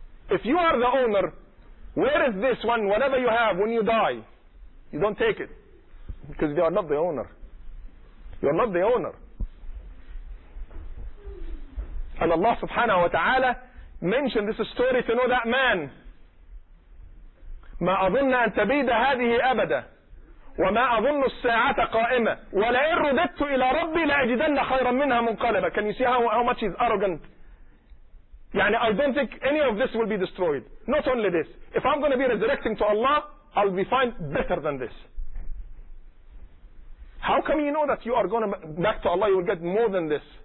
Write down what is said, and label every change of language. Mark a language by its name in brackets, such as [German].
[English] If you are the owner, where is this one? Whatever you have, when you die, you don't take it. Because you are not the owner. You are not the owner. And Allah subhanahu wa ta'ala mentioned this story to know that man. [Arabic] ما أظن أن تبيد هذه أبدا وما أظن الساعة قائمة ولئن رددت إلى ربي لأجدن خيرا منها منقلبا. [English] Can you see how much is arrogant? يعني I don't think any of this will be destroyed. Not only this. If I'm going to be resurrecting to Allah, I'll be fine better than this. How come you know that you are going back to Allah, you will get more than this?